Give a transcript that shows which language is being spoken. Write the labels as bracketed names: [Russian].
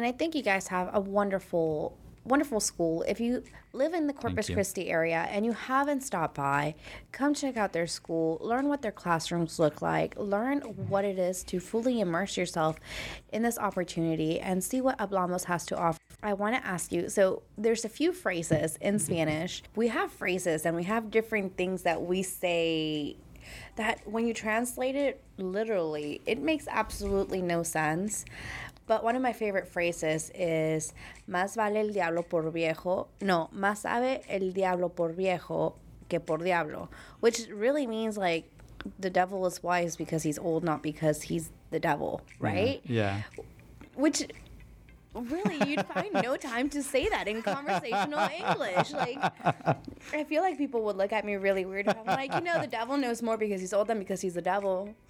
[English] And I think you guys have a wonderful school. If you live in the Corpus Christi area and you haven't stopped by, come check out their school, learn what their classrooms look like, learn what it is to fully immerse yourself in this opportunity, and see what Hablamos has to offer. I want to ask you, so there's a few phrases in Spanish. We have phrases and we have different things that we say that when you translate it literally, it makes absolutely no sense. But one of my favorite phrases is, [Spanish] más vale el diablo por viejo. No, más sabe el diablo por viejo que por diablo. [English] Which really means, like, the devil is wise because he's old, not because he's the devil, right? Yeah. Which, really, you'd find no time to say that in conversational English. Like, I feel like people would look at me really weird if I'm like, you know, the devil knows more because he's old than because he's the devil.